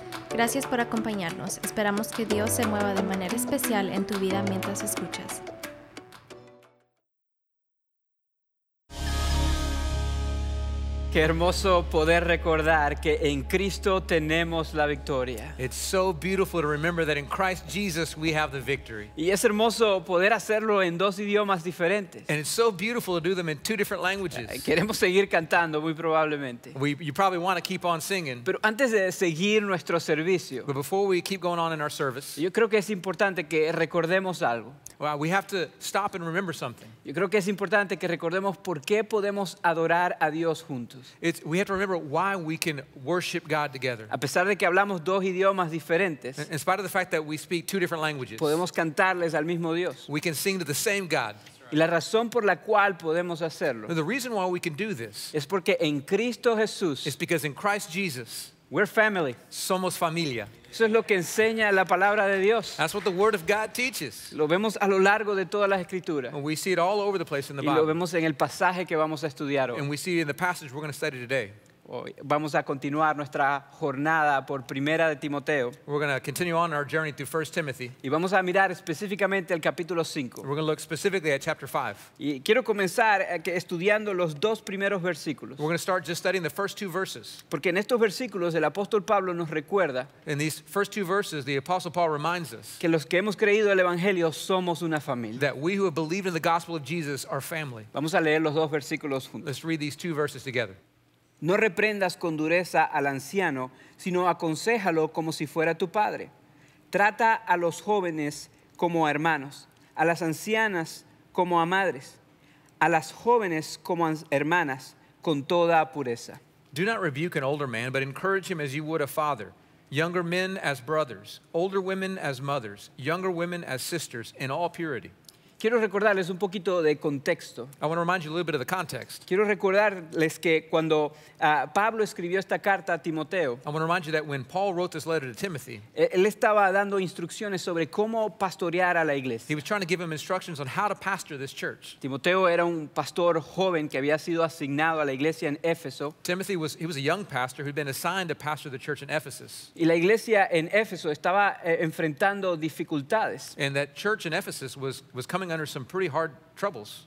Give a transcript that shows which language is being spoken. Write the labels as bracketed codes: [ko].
[es] Gracias por acompañarnos. Esperamos que Dios se mueva de manera especial en tu vida mientras escuchas. Qué hermoso poder recordar que en Cristo tenemos la victoria. [en] It's so beautiful to remember that in Christ Jesus we have the victory. [es] Y es hermoso poder hacerlo en dos idiomas diferentes. [en] And it's so beautiful to do them in two different languages. [es] Queremos seguir cantando muy probablemente. [en] You probably want to keep on singing. [es] Pero antes de seguir nuestro servicio. [en] But before we keep going on in our service. [es] Yo creo que es importante que recordemos algo. [en] Well, we have to stop and remember something. [es] Yo creo que es importante que recordemos por qué podemos adorar a Dios juntos. [en] We have to remember why we can worship God together. [es] A pesar de que hablamos dos idiomas diferentes, [en] in spite of the fact that we speak two different languages, [es] podemos cantarles al mismo Dios. [en] We can sing to the same God. [es] Y la razón por la cual podemos hacerlo, [en] the reason why we can do this, [es] es porque en Cristo Jesús, [en] it's because in Christ Jesus, we're family. [es] Somos familia. Eso es lo que enseña la palabra de Dios. [en] That's what the word of God teaches. [es] Lo vemos a lo largo de todas las escrituras. [en] And we see it all over the place in the Bible. [es] Y lo vemos en el pasaje que vamos a estudiar hoy. [en] And we see it in the passage we're going to study today. [es] Vamos a continuar nuestra jornada por Primera de Timoteo. [en] We're going to continue on our journey through 1 Timothy. [es] Y vamos a mirar específicamente el capítulo 5. [en] We're going to look specifically at chapter 5. [es] Y quiero comenzar estudiando los dos primeros versículos. [en] We're going to start just studying the first two verses. [es] Porque en estos versículos el apóstol Pablo nos recuerda. [en] In these first two verses, the apostle Paul reminds us. [es] Que los que hemos creído el evangelio somos una familia. [en] That we who have believed in the gospel of Jesus are family. [es] Vamos a leer los dos versículos juntos. [en] Let's read these two verses together. [es] No reprendas con dureza al anciano, sino aconséjalo como si fuera tu padre. Trata a los jóvenes como a hermanos, a las ancianas como a madres, a las jóvenes como a hermanas, con toda pureza. [en] Do not rebuke an older man, but encourage him as you would a father. Younger men as brothers, older women as mothers, younger women as sisters, in all purity. [es] Quiero recordarles un poquito de contexto. [en] I want to remind you a little bit of the context. [es] Quiero recordarles que cuando Pablo escribió esta carta a Timoteo, [en] I want to remind you that when Paul wrote this letter to Timothy, [es] él estaba dando instrucciones sobre cómo pastorear a la iglesia. [en] He was trying to give him instructions on how to pastor this church. [es] Timoteo era un pastor joven que había sido asignado a la iglesia en Éfeso. [en] Timothy was, he was a young pastor who'd been assigned to pastor the church in Ephesus. [es] Y la iglesia en Éfeso estaba enfrentando dificultades. [en] And that church in Ephesus was coming under some pretty hard troubles.